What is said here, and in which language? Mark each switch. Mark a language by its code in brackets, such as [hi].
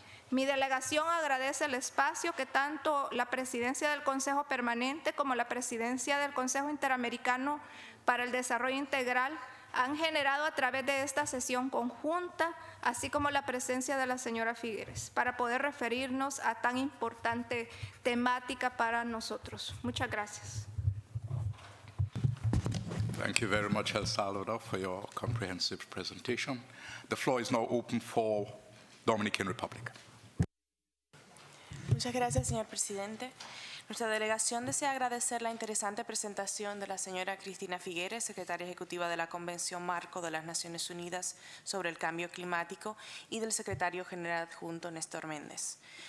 [es] Mi delegación agradece el espacio que tanto la Presidencia del Consejo Permanente como la Presidencia del Consejo Interamericano para el Desarrollo Integral han generado a través de esta sesión conjunta, así como la presencia de la señora Figueres, para poder referirnos a tan importante temática para nosotros. Muchas gracias. [en] Thank you very much, El Salvador, for your comprehensive presentation. The floor is now open for Dominican Republic. [es] Muchas gracias, señor presidente. Nuestra delegación desea agradecer la interesante presentación de la señora Cristina Figueres, secretaria ejecutiva de la Convención Marco de las Naciones Unidas sobre el Cambio Climático, y del secretario general adjunto Néstor Méndez.